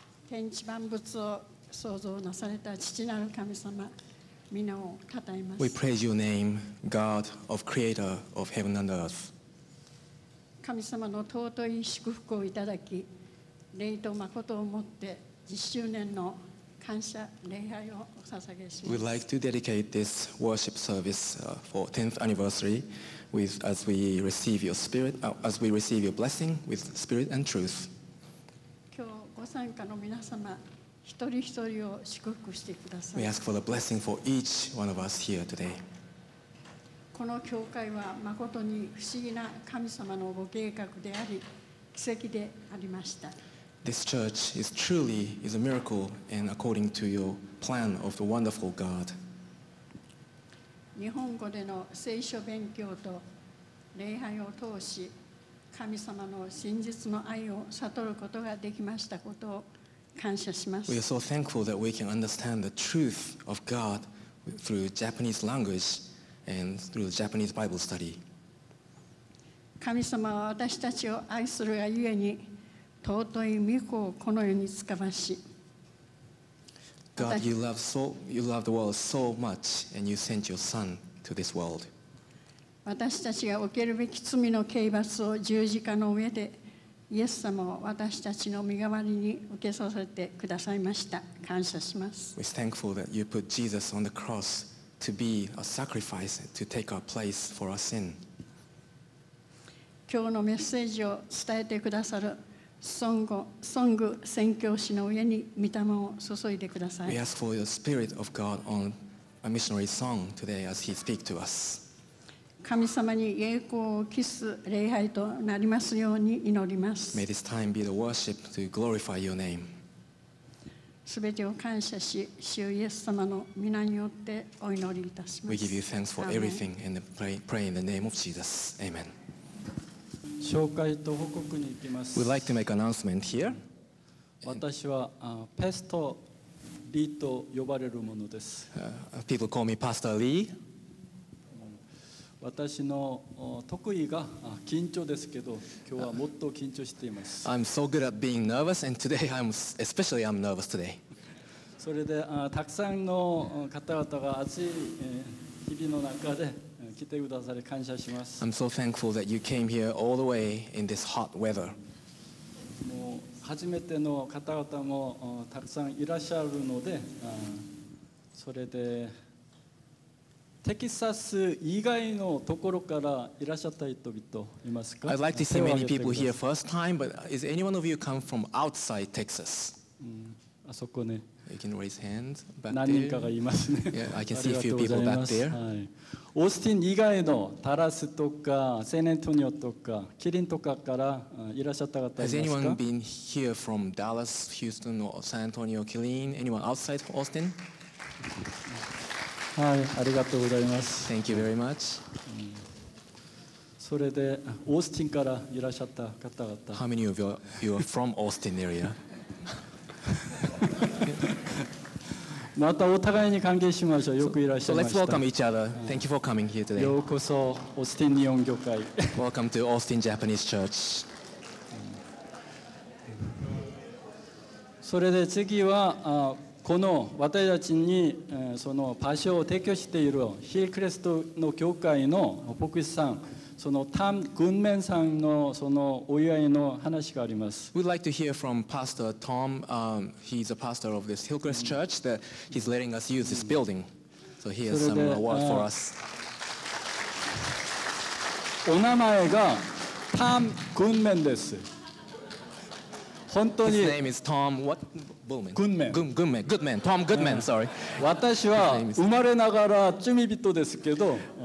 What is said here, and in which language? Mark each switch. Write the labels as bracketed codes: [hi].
[ja] 天地万物を創造なされた父なる神様、皆をたたえます。 [en] We praise your name, God of creator of heaven and earth. [ja] 神様の尊い祝福をいただき、霊と誠をもって10周年の感謝礼拝をお捧げします。 [en] We'd like to dedicate this worship service for 10th anniversary. As we receive your blessing with spirit and truth. [ja] 今日ご参加の皆様一人一人を祝福してください。 [en] We ask for the blessing for each one of us here today. [ja] この教会は誠に不思議な神様のご計画であり、奇跡でありました。 [en] This church is truly is a miracle and according to your plan of the wonderful God. [ja] 日本語での聖書勉強と礼拝を通し、神様の真実の愛を悟ることができましたことを感謝します。 [en] We are so thankful that we can understand the truth of God through Japanese language and through the Japanese Bible study. [ja] 神様は私たちを愛するがゆえに、尊い御子をこの世に遣わし、 [en] God, you love the world so much, and you sent your Son to this world. [ja] 私たちが受けるべき罪の刑罰を十字架の上で、イエス様を私たちの身代わりに受けさせてくださいました。感謝します。 [en] We're thankful that you put Jesus on the cross to be a sacrifice to take our place for our sin. [ja] 今日のメッセージを伝えてくださる。ソング宣教師の上に御霊を注いでください。 [en] We ask for the Spirit of God on a missionary song today as He speaks to us. [ja] 神様に栄光を期す礼拝となりますように祈ります。 [en] May this time be the worship to glorify your name. [ja] すべてを感謝し、主イエス様の御名によってお祈りいたします。 [en] We give you thanks for everything and pray in the name of Jesus. Amen. [ja] 紹介と報告に行きます。 [en] We'd like to make an announcement here. [ja] 私はペストリーと呼ばれるものです。 [en] People call me Pastor Lee. [ja] 私の得意が緊張ですけど、今日はもっと緊張しています。 [en] I'm so good at being nervous, and today I'm especially I'm nervous today. [ja] それでたくさんの方々が熱い日々の中で。来てくださり感謝します。 [en] I'm so thankful that you came here all the way in this hot weather. [ja] もう初めての方々もたくさんいらっしゃるので、それでテキサス以外のところからいらっしゃった人々いますか。 [en] I'd like to see many people here first time, but is anyone of you come from outside Texas? [ja] あそこね。 [en] You can raise hands back there. [ja] 何人かがいますね。 [en] Yeah, I can see a few people back there. [ja] オースティン以外のダラスとかセネントニオとかキリンとかからいらっしゃった方いますか。 [en] Has anyone been here from Dallas, Houston, or San Antonio, Killeen? Anyone outside Austin? [ja] はい、ありがとうございます。 [en] Thank you very much. [ja] それでオースティンからいらっしゃった方々。 [en] How many of you are from Austin area? [ja] またお互いに歓迎しましょう。よくいらっしゃいました。 [en] So let's welcome each other. Thank you for coming here today. [ja] ようこそオースティン日本教会。 [en] Welcome to Austin Japanese Church. [ja] それで次はこの私たちにその場所を提供しているヒルクレストの教会の牧師さん、そのタム・グンメンさんのそのお祝いの話があります。 [en] We'd like to hear from Pastor Tom. He's a pastor of this Hillcrest Church that he's letting us use this building. So he has some word for us. [ja] お名前がタム・グンメンです。本当に。 [en] His name is Tom. What? Goodman. Goodman. Goodman. Goodman. Tom Goodman. Sorry. [ja] 私は生まれながら罪人ですけど。